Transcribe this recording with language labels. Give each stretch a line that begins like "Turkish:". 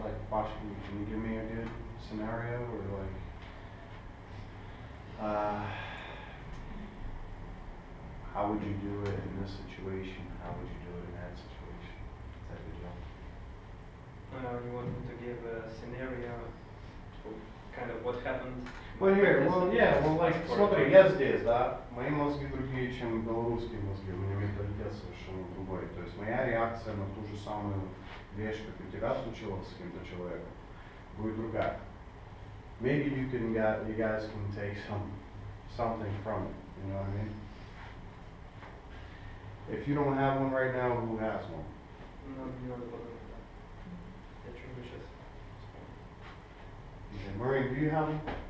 English: Like, Washington, can you give me a good scenario or like? How would you do it in this situation? How would you do it in that situation? That would help. You want me to give a scenario of kind of what happened?
Russian: Моя мозги другие, чем белорусские мозги. У меня менталитет совершенно другой. То есть моя реакция на ту же самую вещь, как у тебя случилось с каким-то человеком, будет другая.
English: Maybe you guys can take something from it. You know what I mean? If you don't have one right now, who has one? No, you don't have one. Get your wishes. Okay, Murray, do you have one?